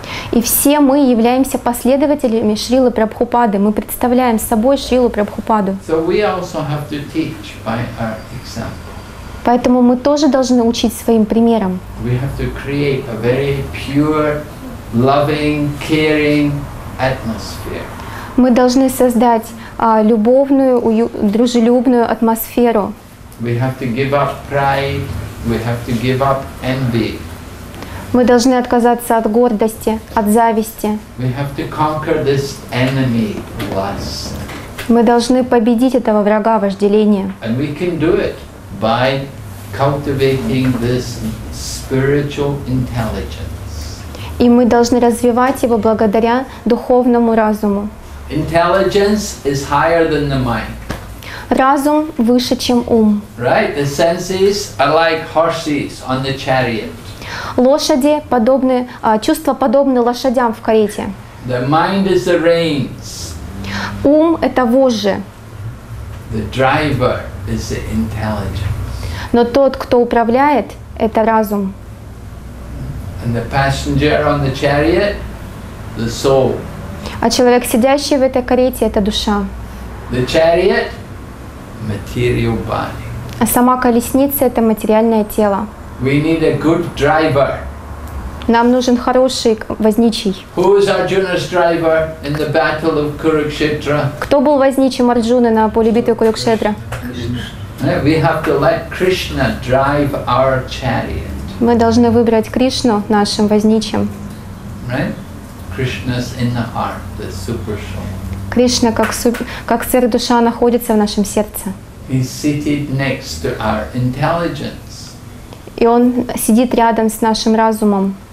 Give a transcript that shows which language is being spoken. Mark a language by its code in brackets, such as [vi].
[ru] И все мы являемся последователями Шрилы Прабхупады. Мы представляем собой Шрилу Прабхупаду. [en] So we also have to teach by our example. [ru] Поэтому мы тоже должны учить своим примером. [en] We have to create a very pure, loving, caring atmosphere. [ru] Мы должны создать любовную, дружелюбную атмосферу. [en] We have to give up pride. We have to give up envy. [ru] Мы должны отказаться от гордости, от зависти. [en] We have to conquer this enemy, lust. [ru] Мы должны победить этого врага, вожделение. [en] And we can do it by cultivating this spiritual intelligence. [ru] И мы должны развивать его благодаря духовному разуму. [en] Intelligence is higher than the mind. [ru] Разум выше, чем ум. [en] Right? The senses are like horses on the chariot. [ru] Лошади подобны, чувства подобны лошадям в карете. [en] The mind is the reins. [ru] Ум — это вожжи. [en] The driver is the intelligence. [ru] Но тот, кто управляет, — это разум. [en] And the passenger on the chariot — the soul. [ru] А человек, сидящий в этой карете, — это душа. [en] The chariot — material body. [ru] А сама колесница — это материальное тело. [en] We need a good driver. [ru] Нам нужен хороший возничий. [en] Who is Arjuna's driver in the battle of Kurukshetra? [ru] Кто был возничим Арджуны на поле битвы Курукшетра? [en] We have to let Krishna drive our chariot. [ru] Мы должны выбрать Кришну нашим возничим. [en] Right? Krishna's in the heart, the super soul. [ru] Кришна как сыр душа находится в нашем сердце. [en] He's seated next to our intelligence. [ru] И он сидит рядом с нашим разумом.